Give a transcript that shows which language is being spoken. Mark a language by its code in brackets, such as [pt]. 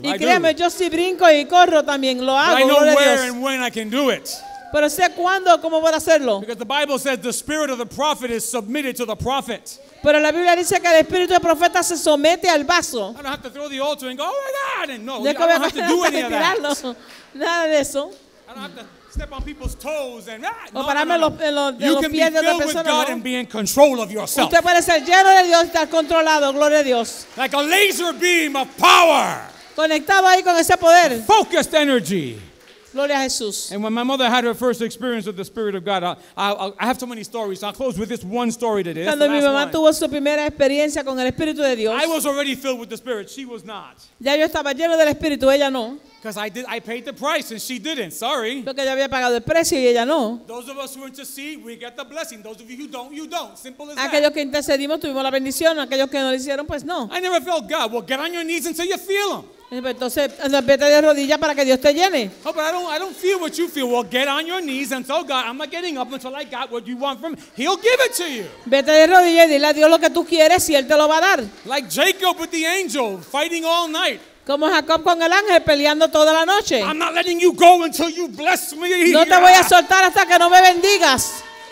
[es] Y créeme, yo sí brinco y corro también, lo hago. [en] But I know where and when I can do it. [es] Pero sé cuándo, cómo voy a hacerlo. [en] Because the Bible says the spirit of the prophet is submitted to the prophet. [es] Pero la Biblia dice que el espíritu del profeta se somete al vaso. [en] I don't have to throw the altar and go, oh my God, and no, I don't have to do any of that. [es] Nada de eso. [en] I don't have to step on people's toes and no, [es] pararme no, no. [en] You can be filled with God and be in control of yourself. [es] Usted puede ser lleno de Dios y estar controlado, gloria a Dios. [en] Like a laser beam of power. [es] Conectado ahí con ese poder. [en] Focused energy. [es] Gloria a Jesús. [en] And when my mother had her first experience with the Spirit of God, I have so many stories. I'll close with this one story today. [es] Cuando mi mamá tuvo su primera experiencia con el Espíritu de Dios, [en] I was already filled with the Spirit. She was not. [es] Ya yo estaba lleno del Espíritu, ella no. [en] Because I paid the price and she didn't. Sorry. [es] Porque yo había pagado el precio y ella no. [en] Those of us who intercede, we get the blessing. Those of you who don't, you don't. Simple as that. [es] Aquellos que intercedimos tuvimos la bendición. Aquellos que no lo hicieron, pues no. [en] I never felt God. Well, get on your knees until you feel Him. [es] Entonces, vete de rodillas para que Dios te llene. [en] Oh, but I don't feel what you feel. Well, get on your knees and tell God, I'm not getting up until I got what you want from Him. He'll give it to you. [es] Vete de rodillas y dile a Dios lo que tú quieres y Él te lo va a dar. [en] Like Jacob with the angel, fighting all night. [es] Como Jacob con el ángel peleando toda la noche. [en] I'm not letting you go until you bless me. [es] No te voy a soltar hasta que no me bendigas.